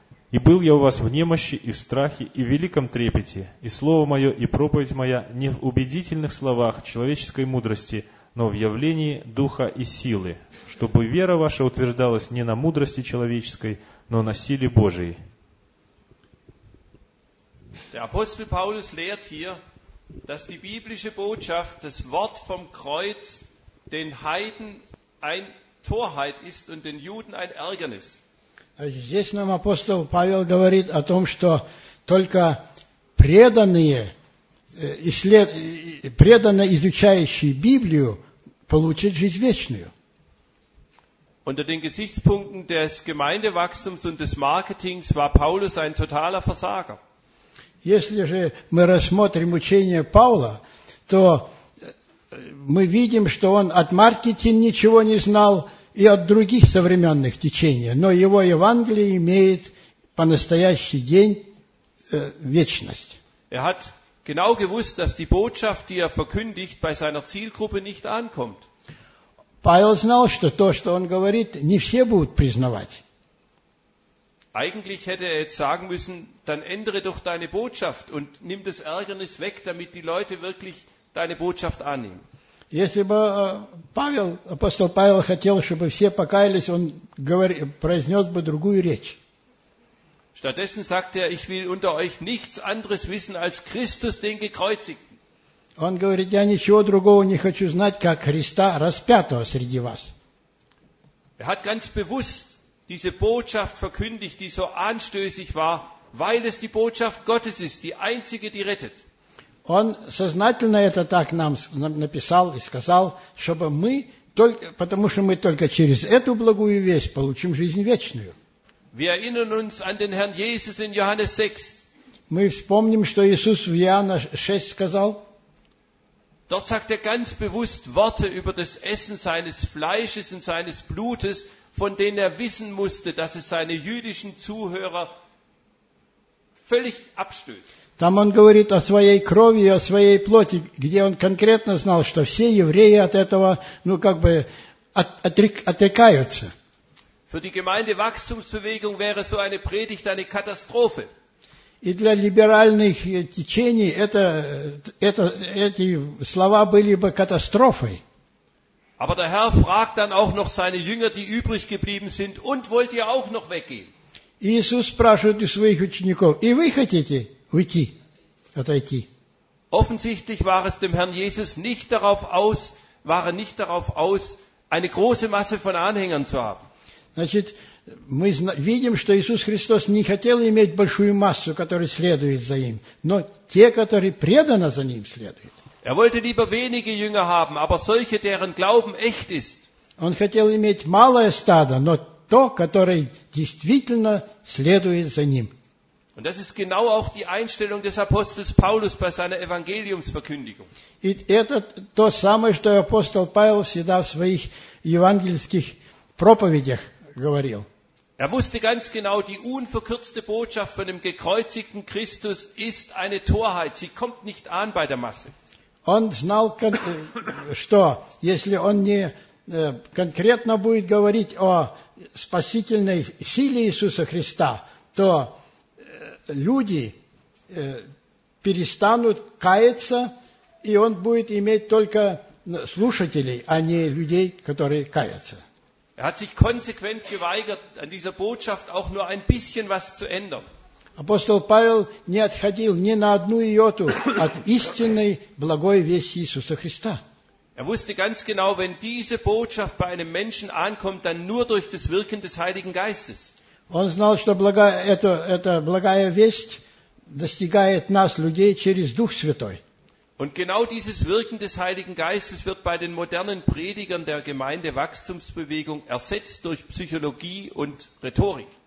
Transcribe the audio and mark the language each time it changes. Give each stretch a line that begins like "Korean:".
Russian: И был я у вас в немощи и в страхе и в великом трепете, и слово мое и проповедь моя не в убедительных словах человеческой мудрости, но в явлении духа и силы, чтобы вера ваша утверждалась не на мудрости человеческой, но на силе Божией.
German: Der Apostel Paulus lehrt hier, dass die biblische Botschaft, das Wort vom Kreuz, den Heiden ein Torheit ist und den Juden ein Ärgernis.
Russian: Здесь нам апостол Павел говорит о том, что только преданно изучающие Библию получат жизнь вечную.
German: Unter den Gesichtspunkten des Gemeindewachstums und des Marketings war Paulus ein totaler Versager.
Russian: Если же мы рассмотрим учение Павла, то мы видим, что он от маркетинга ничего не знал и от других современных течений, но его Евангелие имеет по настоящий день вечность.
German: Er hat genau gewusst, dass die Botschaft, die er verkündigt, bei seiner Zielgruppe nicht ankommt.
Russian: Павел знал, что то, что он говорит, не все будут признавать.
German: Eigentlich hätte er jetzt sagen müssen, dann ändere doch deine Botschaft und nimm das Ärgernis weg, damit die Leute wirklich deine Botschaft annehmen.
Russian: Если бы Павел, апостол Павел хотел, чтобы все покаялись, он произнес бы другую речь.
German: Stattdessen sagte er, ich will unter euch nichts anderes wissen als Christus, den Gekreuzigten.
Russian: Он говорит, я ничего другого не хочу знать, как Христа распятого среди вас.
German: Er hat ganz bewusst diese Botschaft verkündigt, die so anstößig war, weil es die Botschaft Gottes ist, die einzige, die rettet.
Russian: Он сознательно это так нам написал и сказал, чтобы мы только, потому что мы только через эту благую весть получим жизнь вечную.
German: Wir erinnern uns an den Herrn Jesus in Johannes 6.
Russian: Мы вспомним, что Иисус в Иоанна 6 сказал.
German: Dort sagt er ganz bewusst Worte über das Essen seines Fleisches und seines Blutes, von denen er wissen musste, dass es seine jüdischen Zuhörer völlig abstößt.
Russian: Там он говорит о своей крови и о своей плоти, где он конкретно знал, что все евреи от этого, ну как бы, отрекаются.
German: Für die Gemeindewachstumsbewegung wäre so eine Predigt eine Katastrophe.
Russian: И для либеральных течений эти слова были бы катастрофой.
German: Aber der Herr fragt dann auch noch seine Jünger, die übrig geblieben sind, und wollt ihr auch noch weggehen?
Russian: Иисус спрашивает у своих учеников, и вы хотите уйти, отойти?
German: Offensichtlich war es dem Herrn Jesus nicht darauf aus, war er nicht darauf aus, eine große Masse von Anhängern zu haben.
Russian: Значит, мы видим, что Иисус Христос не хотел иметь большую массу, которая следует за ним, но те, которые преданно за ним следуют.
German: Er wollte lieber wenige Jünger haben, aber solche, deren Glauben echt ist.
Russian: Он хотел иметь малое стадо, но то, которое действительно следует за ним.
German: Und das ist genau auch die Einstellung des Apostels Paulus bei seiner Evangeliumsverkündigung.
Russian: И это то самое, что апостол Павел всегда в своих евангельских проповедях говорил.
German: Er wusste ganz genau, die unverkürzte Botschaft von dem gekreuzigten Christus ist eine Torheit. Sie kommt nicht an bei der Masse.
Russian: Он знал, что если он не конкретно будет говорить о спасительной силе Иисуса Христа, то люди перестанут каяться, и он будет иметь только слушателей, а не людей, которые каятся.
German: Er hat sich konsequent geweigert, an dieser Botschaft auch nur ein bisschen was zu ändern.
Russian: Апостол Павел не отходил ни на одну йоту от истинной благой вести Иисуса Христа.
German: Er wusste ganz genau, wenn diese Botschaft bei einem Menschen ankommt, dann nur durch das Wirken des Heiligen Geistes.
Russian: Он знал, что эта благая весть достигает нас, людей, через Дух Святой.
German: Und genau dieses Wirken des Heiligen Geistes wird bei den modernen Predigern der Gemeindewachstumsbewegung ersetzt durch Psychologie und Rhetorik.